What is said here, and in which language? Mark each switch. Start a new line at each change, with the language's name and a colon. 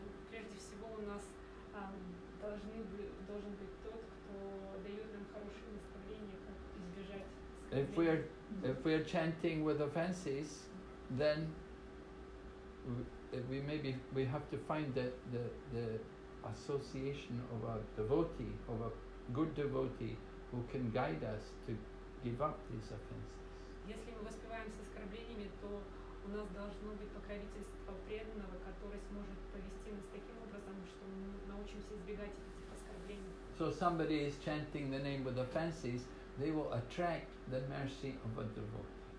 Russian: Прежде всего у нас должен быть тот, кто дает нам хорошие наставления, как избежать оскорблений.
English: If we are chanting with offenses, then we have to find the association of a devotee, of a good devotee, who can guide us to give up these offenses.
Russian: Если мы воспеваем с оскорблениями, то у нас должно быть покровительство преданного, который сможет повести нас таким образом, что мы научимся избегать этих оскорблений.
English: So somebody is chanting the name with offenses, they will attract the mercy of a devotee.